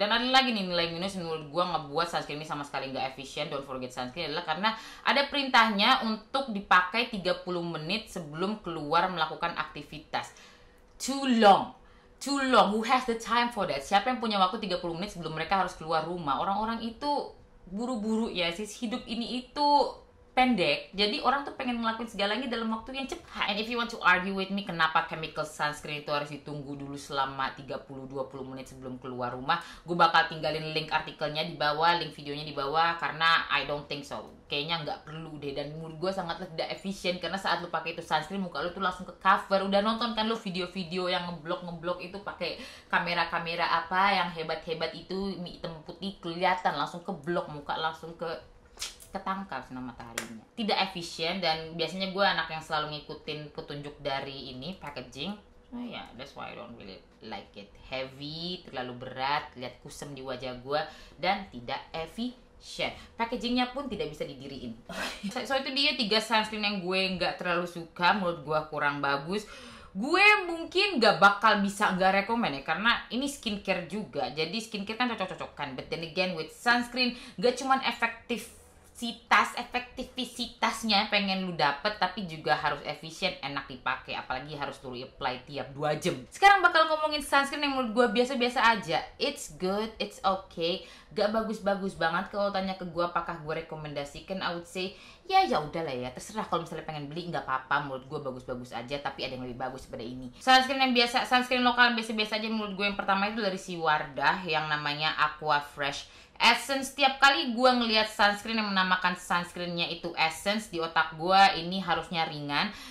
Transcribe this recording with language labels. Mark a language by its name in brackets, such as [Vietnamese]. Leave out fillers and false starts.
[Indonesian] Dan ada lagi nih nilai minus menurut gue ngebuat sunscreen ini sama sekali gak efisien, Don't Forget Sunscreen, adalah karena ada perintahnya untuk dipakai 30 menit sebelum keluar melakukan aktivitas. [English] Too long, who has the time for that? [Indonesian] Siapa yang punya waktu 30 menit sebelum mereka harus keluar rumah? Orang-orang itu buru-buru ya sih, hidup ini itu pendek, jadi orang tuh pengen ngelakuin segalanya dalam waktu yang cepat. [English] And if you want to argue with me [Indonesian] kenapa chemical sunscreen itu harus ditunggu dulu selama 30-20 menit sebelum keluar rumah, gue bakal tinggalin link artikelnya di bawah, link videonya di bawah, karena [English] I don't think so. [Indonesian] Kayaknya nggak perlu deh, dan menurut gue sangat tidak efisien, karena saat lu pakai itu sunscreen, muka lu tuh langsung ke cover. Udah nonton kan lu video-video yang ngeblok-ngeblok itu pakai kamera-kamera apa yang hebat-hebat itu, hitam putih kelihatan, langsung keblok, muka langsung ketangkap sinar mataharinya. Tidak efisien, dan biasanya gue anak yang selalu ngikutin petunjuk dari ini, packaging. [English] So yeah, that's why I don't really like it. [Indonesian] Heavy, terlalu berat, lihat kusam di wajah gue, dan tidak efisien. Packagingnya pun tidak bisa didiriin. So itu dia 3 sunscreen yang gue gak terlalu suka, menurut gue kurang bagus. Gue mungkin gak bakal bisa gak rekomen ya, karena ini skincare juga. Jadi skincare kan cocok-cocokan. [English] But then again, with sunscreen, [Indonesian] gak cuman efektif efektivitasnya pengen lu dapet, tapi juga harus efisien, enak dipakai, apalagi harus lu apply tiap 2 jam. Sekarang bakal ngomongin sunscreen yang menurut gua biasa-biasa aja. [English] It's good, it's okay, gak bagus-bagus banget. [Indonesian] Kalau tanya ke gua apakah gua rekomendasikan, [English] I would say [Indonesian] ya ya udahlah ya, terserah. Kalau misalnya pengen beli nggak apa-apa, menurut gua bagus-bagus aja, tapi ada yang lebih bagus pada ini. Sunscreen yang biasa, sunscreen lokal yang biasa-biasa aja menurut gua, yang pertama itu dari si Wardah yang namanya Aqua Fresh Essence. Setiap kali gue ngelihat sunscreen yang menamakan sunscreennya itu essence, di otak gue ini harusnya ringan.